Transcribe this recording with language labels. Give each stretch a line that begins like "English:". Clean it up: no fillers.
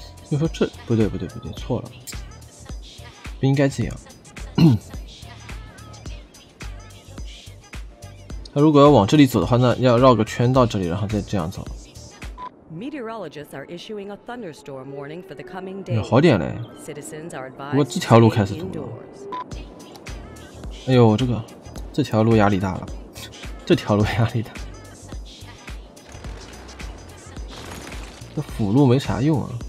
Chinese: 就说这不对，错了，不应该这样。他如果要往这里走的话，那要绕个圈到这里，然后再这样走。
English: Meteorologists are issuing a thunderstorm warning for the coming days.
Chinese: 好点嘞，不过这条路开始堵了。哎呦，这条路压力大了，这条路压力大。这辅路没啥用啊。